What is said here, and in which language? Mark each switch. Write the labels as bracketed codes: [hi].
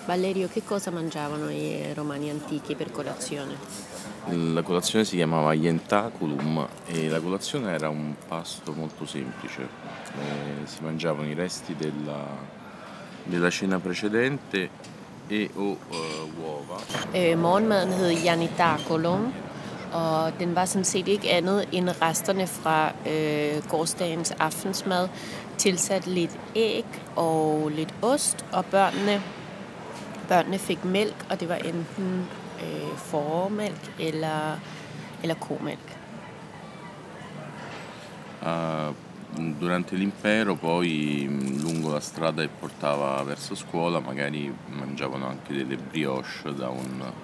[it] Valerio, che cosa mangiavano i romani antichi per colazione? La colazione si chiamava Ientaculum e la colazione era un pasto molto semplice. Si mangiavano i resti della cena precedente e o uova. [da] Morgenmaden hed Ientaculum og den var sådan set ikke andet end resterne fra gårdsdagens aftensmad, tilsat lidt æg og lidt ost, og børnene fik mælk, og det var enten formælk eller komælk. [it] Durante l'impero poi lungo la strada e portava verso scuola magari mangiavano anche delle brioche da un